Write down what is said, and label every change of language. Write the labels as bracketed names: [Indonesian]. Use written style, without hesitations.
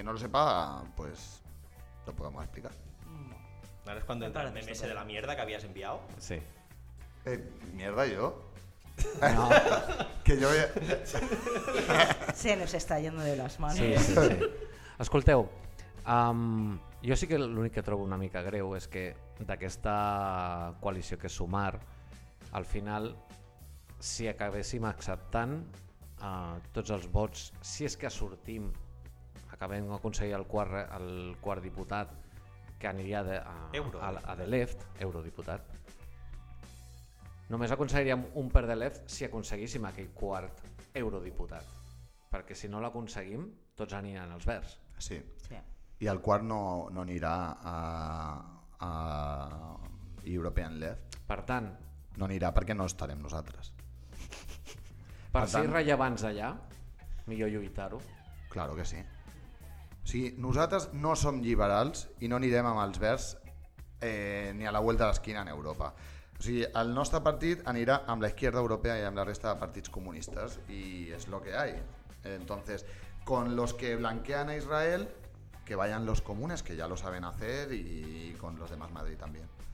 [Spanish] Quien no lo sepa, pues lo podemos explicar. ¿Ahora es cuando entra el meme ese de la mierda que habías enviado? Sí. ¿Mierda yo? No. Que yo... Se nos está yendo de las manos. Sí. [Catalan] Escolteu, jo sí que l'únic que trobo una mica greu és que d'aquesta coalició que és Sumar, al final, si acabéssim acceptant tots els vots, si és que sortim, acabem d'aconseguir el quart diputat que aniria de Left, eurodiputat, només aconseguiríem un per de Left si aconseguíssim aquell quart eurodiputat, perquè si no l'aconseguim, tots aniran als Verds. Sí. I el quart no anirà a European Left. Per tant... No anirà perquè no estarem nosaltres. Per ser rellevants allà, millor lluitar-ho. [Spanish] Claro que sí. [Catalan] Sí, nosaltres no som liberals i no anirem amb els verds [Spanish] ni a la vuelta [Catalan] de l'esquina en Europa. O sigui, el nostre partit anirà amb [Spanish] la izquierda europea [Catalan] i amb la resta de partits comunistes i [Spanish] és lo que hay. Entonces, con los que blanquean a Israel... que vayan los comunes, que ya lo saben hacer, y con los demás Madrid también.